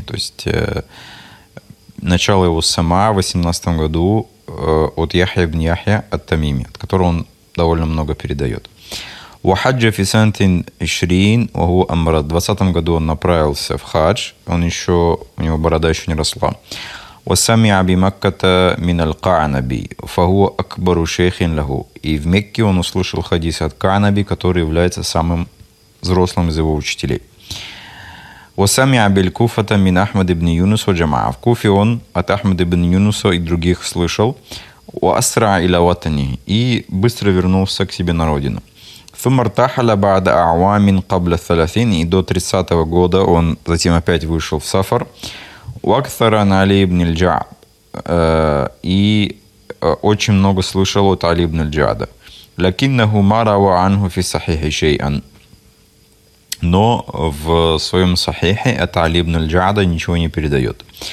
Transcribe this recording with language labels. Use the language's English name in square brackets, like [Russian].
[Russian] То есть начало его Сама в 18 году от Яхья бни Яхья ат-Тамими, от которого он довольно много передает. [Arabic] Ухаджа фи сантин ишрин, уху амбара. [Russian] В 20 году он направился в хадж. Он еще, у него борода еще не росла. [Arabic] وسمع بمكة من القعنبي فهو أكبر شيخ له. [Russian] И в Мекке он услышал хадис от Каанаби, который является самым взрослым из его учителей. [Arabic] وسمع بالكوفة من أحمد بن يونس وجماعة. [Russian] В Куфе он от Ахмада бин Юнуса и других слышал. [Arabic] وأسرع إلى وطنه. [Russian] И быстро вернулся к себе на родину. [Arabic] ثم ارتحل بعد أعوام قبل الثلاثين. [Russian] И до 30-го года он затем опять вышел в сафар. [Arabic] Уактара на Али ибн Аль-Джаад. [Russian] И очень много слышал от Али ибн Аль-Джаада. [Arabic] Лакиннаху марава анху фи сахихи шейан. [Russian] Но в своем сахихе от Али ибн Аль-Джаада ничего не передает.